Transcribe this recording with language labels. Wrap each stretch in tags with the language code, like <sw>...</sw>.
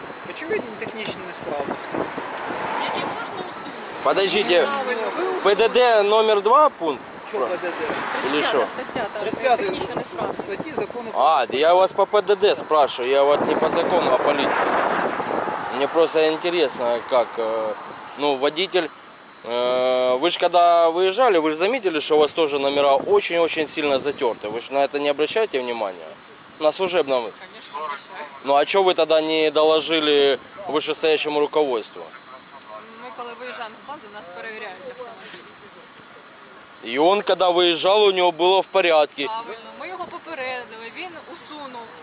<uk>Очевидно, технічні несправності. Які можна усунути?</uk> <ru>Подождите, ПДД номер 2 пункт?</ru> <uk>Чого ПДД?</uk> <ru>Или що?</ru> <uk>35 статті закону.</uk> <ru>А, я вас по ПДД спрашиваю, я вас не по закону, а по поліції. Мне просто интересно, как, ну, водитель, вы же когда выезжали, вы же заметили, что у вас тоже номера очень-очень сильно затерты. Вы же на это не обращаете внимания? На служебном.</ru> <uk>Ну а чого ви тоді не доложили вищестоящому руководству? Ми коли виїжджаємо з бази, нас перевіряють автомобіль. І він, коли виїжджав, у нього було в порядку. Правильно, ми його попередили, він усунув.</uk>